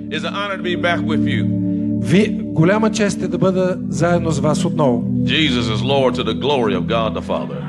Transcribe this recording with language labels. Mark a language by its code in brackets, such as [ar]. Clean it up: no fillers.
[en] It's an honor to be back with you. [bg] Голяма чест е да бъда заедно с вас отново. [en] Jesus is Lord to the glory of God the Father.